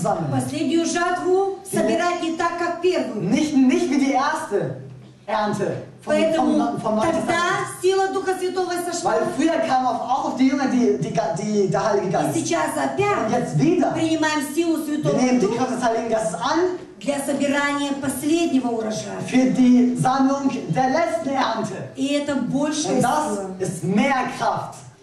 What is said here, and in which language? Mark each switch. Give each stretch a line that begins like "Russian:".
Russian: Последнюю жатву собирать не так, как первую.
German: Nicht wie die erste Ernte.
Russian: Поэтому тогда сила Духа Святого сошла.
German: Weil früher kam auf die Jünger die der Heilige Geist.
Russian: Сейчас опять принимаем силу Святого Духа для собирания последнего урожая.
German: Für die Sammlung der letzten Ernte.
Russian: И это больше
German: сила. Und das ist mehr Kraft.